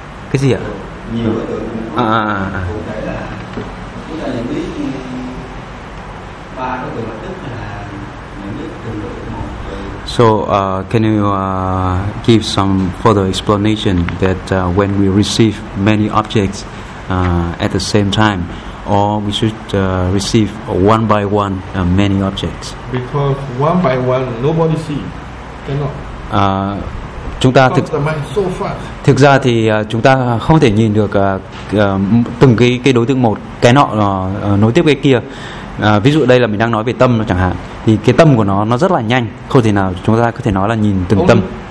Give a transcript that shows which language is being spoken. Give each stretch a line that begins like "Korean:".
Vietnamese: Cái gì ạ? nhiều đối tượng cụ thể là chúng ta nhận biết ba đối tượng mặt tích là nhận biết từng đối tượng một.
English: So can you give some further explanation that when we receive many objects at the same time, or we should receive one by one many objects? Because one by one nobody see, cannot.
Vietnamese: Chúng ta thực ra thì chúng ta không thể nhìn được từng cái đối tượng một, cái nọ nối tiếp cái kia. Ví dụ đây là mình đang nói về tâm chẳng hạn, thì cái tâm của nó rất là nhanh, không thể nào chúng ta có thể nói là nhìn từng tâm.